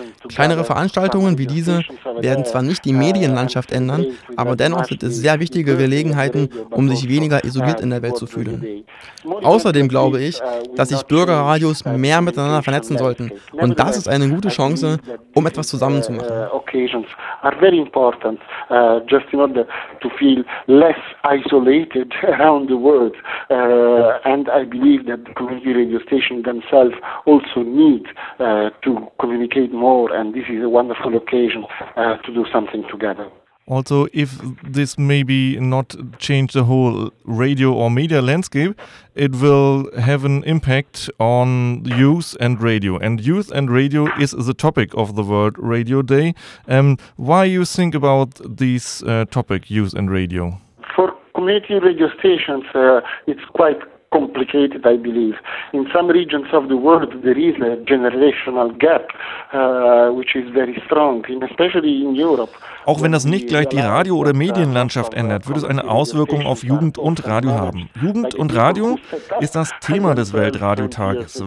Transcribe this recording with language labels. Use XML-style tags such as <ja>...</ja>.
<de>Kleinere Veranstaltungen wie diese werden zwar nicht die Medienlandschaft ändern, aber dennoch sind es sehr wichtige Gelegenheiten, um sich weniger isoliert in der Welt zu fühlen. Außerdem glaube ich, dass sich Bürgerradios mehr miteinander vernetzen sollten. Und das ist eine gute Chance, um etwas zusammenzumachen.</de> <en>Are very important just in order to feel less isolated around the world and I believe that the community radio station themselves also need to communicate more and this is a wonderful occasion to do something together. Also, if this maybe not change the whole radio or media landscape, it will have an impact on youth and radio. And youth and radio is the topic of the World Radio Day. Why you think about this topic, youth and radio? For community radio stations, it's quite complicated, I believe. In some regions of the world, there is a generational gap, which is very strong, and especially in Europe.</en> <de>Auch wenn das nicht gleich die Radio- oder Medienlandschaft ändert, wird es eine Auswirkung auf Jugend und Radio haben. Jugend und Radio ist das Thema des Weltradiotages.</de>